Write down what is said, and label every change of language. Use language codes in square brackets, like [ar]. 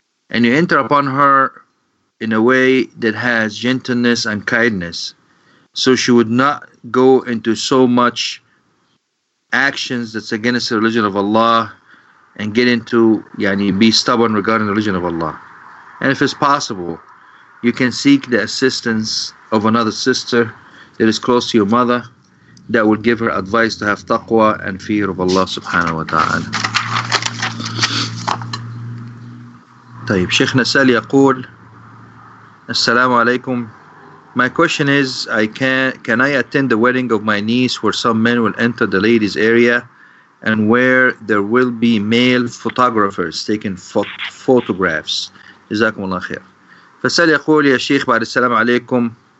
[en] And you enter upon her in a way that has gentleness and kindness, so she would not go into so much actions that's against the religion of Allah and get into, yani, be stubborn regarding the religion of Allah. And if it's possible, you can seek the assistance of another sister that is close to your mother. that will give her advice to have taqwa and fear of Allah subhanahu wa ta'ala. [ar] طيب شيخ نسال يقول السلام عليكم. [en] My question is, can I attend the wedding of my niece where some men will enter the ladies area and where there will be male photographers taking photographs. [ar] جزاكم الله خير. فسال يقول يا شيخ بعد السلام عليكم.